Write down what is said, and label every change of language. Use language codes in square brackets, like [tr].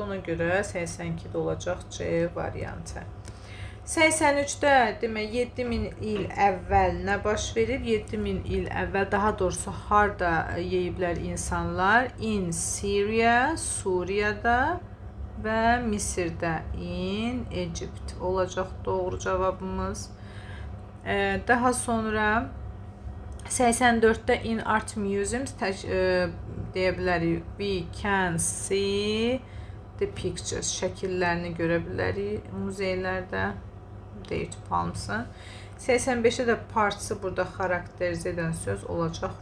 [az] Ona görə 82-də olacaq C variantı. 83-də demək 7000 il əvvəl nə baş verir? 7000 il əvvəl daha doğrusu harda yeyiblər insanlar? In Syria, Suriyada və Misirdə. In Egypt olacaq doğru cavabımız. Daha sonra 84-də in art museums deyə bilərik. [en] We can see the pictures. [az] Şəkillərini görə bilərik muzeylərdə. Date palms- ın. 85-də de parts-ı burada xarakterizə edən söz olacaq.